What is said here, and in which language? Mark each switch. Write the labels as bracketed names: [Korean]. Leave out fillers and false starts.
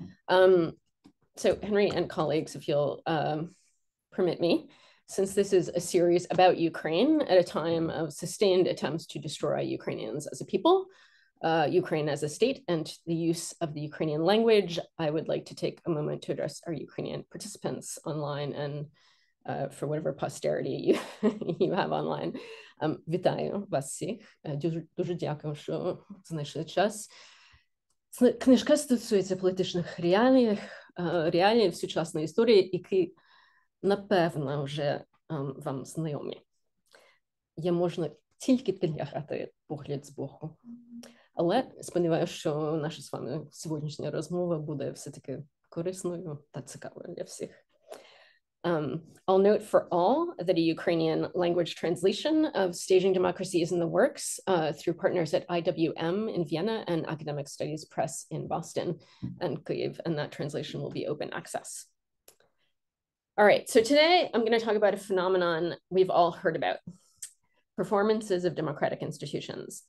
[English] So Henry and colleagues, if you'll permit me, since this is a series about Ukraine at a time of sustained attempts to destroy Ukrainians as a people, Ukraine as a state, and the use of the Ukrainian language, I would like to take a moment to address our Ukrainian participants online and for whatever posterity you, you have online. [Ukrainian] Вітаю вас всіх. Дуже дякую, що знайшли час. Книжка стосується політичних реалій в сучасній історії, які, напевно, вже вам знайомі. Я можу тільки підняти погляд збоку. Але сподіваюся, що наша з вами сьогоднішня розмова буде все-таки корисною та цікавою для всіх. [English] I'll note for all that a Ukrainian language translation of Staging Democracy is in the works through partners at IWM in Vienna and Academic Studies Press in Boston and Kyiv, and that translation will be open access. All right, so today I'm going to talk about a phenomenon we've all heard about, performances of democratic institutions.